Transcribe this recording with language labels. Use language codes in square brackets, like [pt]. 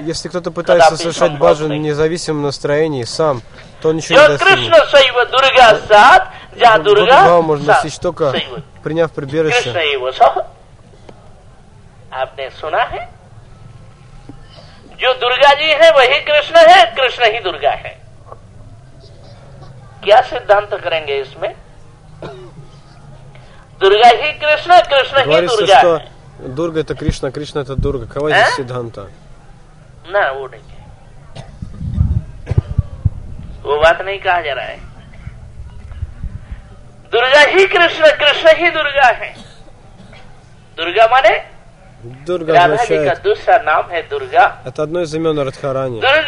[ru] если кто-то пытается совершать баджан в независимом настроении сам, то ничего не достигнет. Бхаву можно достичь только приняв прибежище. [hi] आपने सुना है जो दुर्गा जी है वही कृष्ण है कृष्ण ही दुर्गा है क्या सिद्धांत करेंगे इसमें दुर्गा ही कृष्ण कृष्ण ही दुर्गा है दुर्गा это कृष्ण कृष्ण это दुर्गा कहां है सिद्धांत ना वो नहीं है वो बात नहीं कहा जा रहा है दुर्गा ही कृष्ण ही दुर्गा है दुर्गा माने [ru] Дурга означает, это одно из имен Радхарани.